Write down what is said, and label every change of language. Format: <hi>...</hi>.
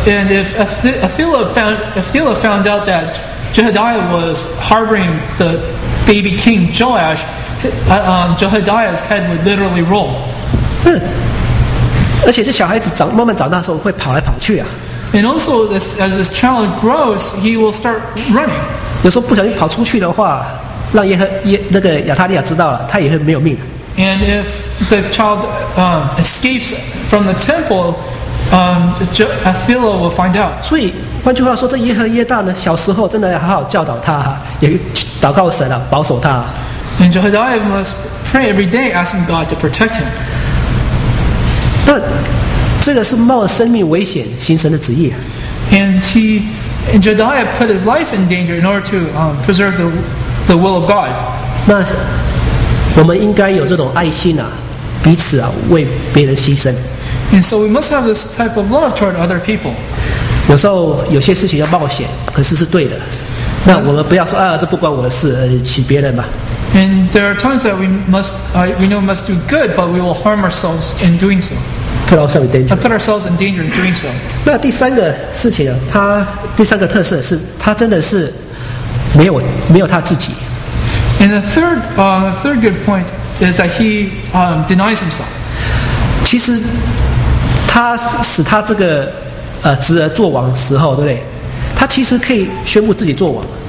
<en>And if Athaliah found out that Jehadiah was harboring the baby king Joash, Jehadiah's head would literally roll.</en> <zh>而且这小孩子长慢慢长大的时候会跑来跑去啊。</zh> <en>And also, as this child grows, he will start running.</en> <zh>有时候不小心跑出去的话，让那个亚塔利亚知道了，他也会没有命的。</zh> <en>And if the child escapes from the temple. Athaliah will find out.</en> <zh>所以，换句话说，这耶和耶大呢，小时候真的要好好教导他，也祷告神啊，保守他。</zh> <en>And Jehadiah must pray every day, asking God to protect him.</en> <zh>那这个是冒生命危险行神的旨意。</zh> <en>And Jehadiah put his life in danger in order to preserve the will of God.</en> <zh>那我们应该有这种爱心啊，彼此啊，为别人牺牲。</zh> <en>And so we must have this type of love toward other people.</en> <zh>有时候有些事情要冒险，可是是对的。那我们不要说啊，这不关我的事，请别人吧。</zh> <en>And there are times that we must do good, but we will harm ourselves in doing so. Put ourselves in danger in doing so.</en> <zh>那第三个事情呢？他第三个特色是他真的是没有他自己。</zh> <en>And the third good point is that he denies himself.</en> <zh>其实。他使他这个侄儿做王时候，对不对？他其实可以宣布自己做王。</zh>